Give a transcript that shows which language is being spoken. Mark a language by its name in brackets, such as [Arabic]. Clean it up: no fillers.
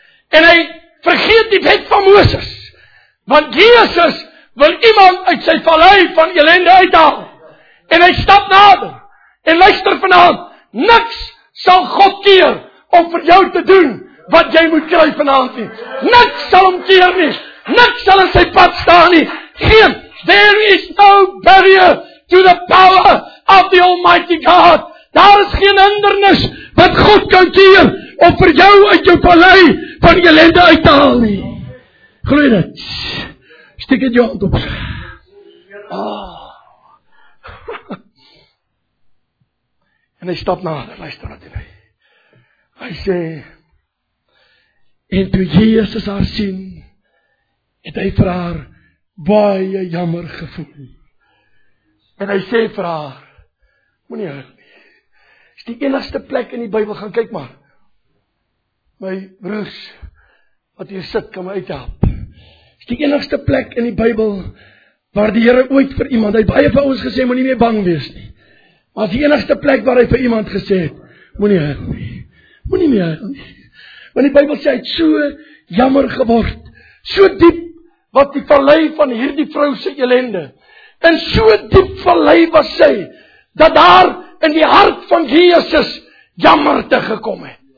[Afrikaans] En hy vergeet die wet van Moses, want Jesus wil iemand uit sy vallei van ellende uithaal. En hy stap nader, en luister vanaand, niks sal God keer om vir jou te doen wat jy moet kry vanaand nie. Niks sal hom keer nie, niks sal in sy pad staan nie. [English] Geen, there is no barrier to the power of the Almighty God. [Afrikaans] Daar is geen hindernis wat God kan keer om vir jou uit jou vallei van die ellende uit te haal nie. Glooi dit. Steek het jou hand op. En hy stap nader, luister wat hy. Hy sê, en toe Jesus haar sien, het hy vir haar baie jammer gevoel. En hy sê vir haar, moenie huil nie. Is die enigste plek in die Bybel, gaan kyk maar. My broers, wat hier sit, kan my uithelp. Is die enigste plek in die Bybel, waar die Here ooit vir iemand, hy baie van ons gesê, moet nie meer bang wees nie. Maar is die enigste plek waar hy vir iemand gesê, moet nie huil nie. Moet nie meer huil nie. Want die Bybel sê, hy het so jammer geword, so diep, wat die vallei van hierdie vrou se ellende, en so diep vallei was sy, dat daar in die hart van Jesus jammer te gekom het.